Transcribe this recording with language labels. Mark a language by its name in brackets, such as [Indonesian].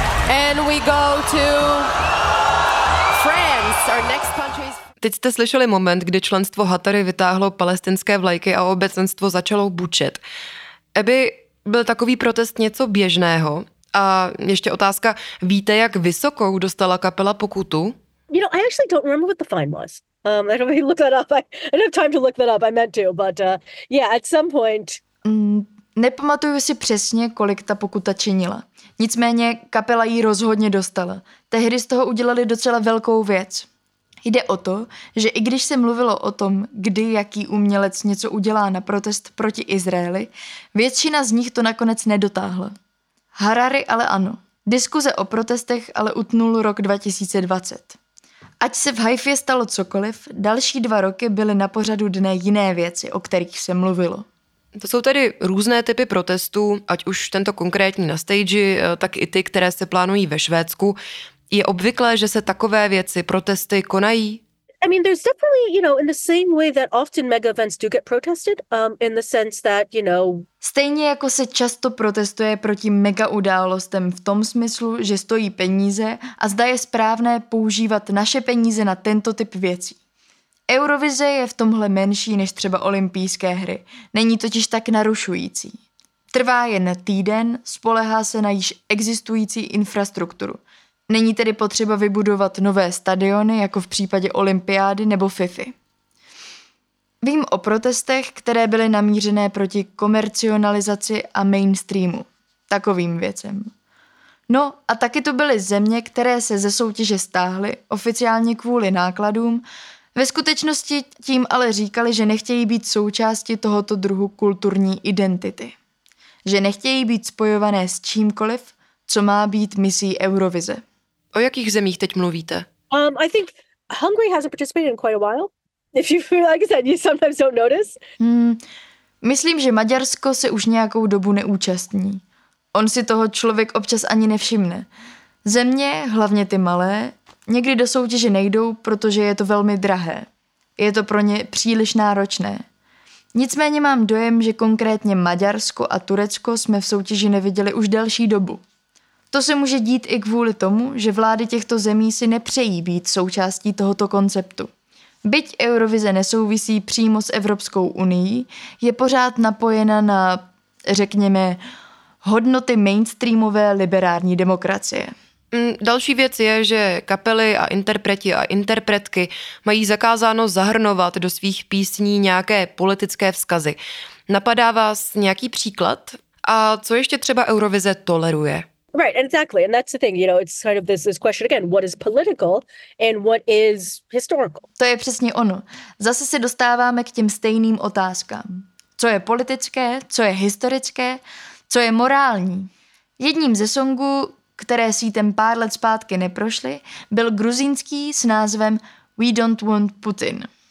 [English] And we go to France, our next country's. [Czech] Teď jste slyšeli moment, kdy členstvo Hatari vytáhlo palestinské vlajky a obecenstvo začalo bučet. Aby, byl takový protest něco běžného? A ještě otázka, víte, jak vysokou dostala kapela pokutu? [English] You know, I actually don't remember what the fine was. I don't really look that up. I don't have time to look that up. I meant to, but yeah, at some point. [Czech] Nepamatuju si přesně, kolik ta pokuta činila. Nicméně kapela ji rozhodně dostala. Tehdy z toho udělali docela velkou věc. Jde o to, že i když se mluvilo o tom, kdy jaký umělec něco udělá na protest proti Izraeli, většina z nich to nakonec nedotáhla. Harari ale ano. Diskuze o protestech ale utnul rok 2020. Ať se v Haifě stalo cokoliv, další dva roky byly na pořadu dne jiné věci, o kterých se mluvilo. To jsou tedy různé typy protestů, ať už tento konkrétní na stage, tak i ty, které se plánují ve Švédsku. Je obvyklé, že se takové věci, protesty, konají? [English] I mean, there's definitely, you know, in the same way that often mega events do get protested, in the sense that, you know... [Czech] Stejně jako se často protestuje proti mega událostem v tom smyslu, že stojí peníze a zda je správné používat naše peníze na tento typ věcí. Eurovize je v tomhle menší než třeba olympijské hry. Není totiž tak narušující. Trvá jen týden, spolehá se na již existující infrastrukturu. Není tedy potřeba vybudovat nové stadiony, jako v případě olympiády nebo FIFA. Vím o protestech, které byly namířené proti komercionalizaci a mainstreamu. Takovým věcem. No a taky to byly země, které se ze soutěže stáhly, oficiálně kvůli nákladům, ve skutečnosti tím ale říkali, že nechtějí být součástí tohoto druhu kulturní identity. Že nechtějí být spojované s čímkoliv, co má být misí Eurovize. O jakých zemích teď mluvíte? [English] I think Hungary hasn't participated in quite a while. If you feel like that, you sometimes don't notice. [Czech] Myslím, že Maďarsko se už nějakou dobu neúčastní. On si toho člověk občas ani nevšimne. Země, hlavně ty malé, někdy do soutěže nejdou, protože je to velmi drahé. Je to pro ně příliš náročné. Nicméně mám dojem, že konkrétně Maďarsko a Turecko jsme v soutěži neviděli už delší dobu. To se může dít i kvůli tomu, že vlády těchto zemí si nepřejí být součástí tohoto konceptu. Byť Eurovize nesouvisí přímo s Evropskou unií, je pořád napojena na, řekněme, hodnoty mainstreamové liberální demokracie. Další věc je, že kapely a interpreti a interpretky mají zakázáno zahrnovat do svých písní nějaké politické vzkazy. Napadá vás nějaký příklad? A co ještě třeba Eurovize toleruje? [English] Right, exactly. And that's the thing, you know, it's kind of this question again, what is political and what is historical? [Czech] To je přesně ono. Zase se dostáváme k těm stejným otázkám. Co je politické, co je historické, co je morální? Jedním ze songů, které sítem pár let zpátky neprošly, byl gruzínský s názvem We Don't Want Putin.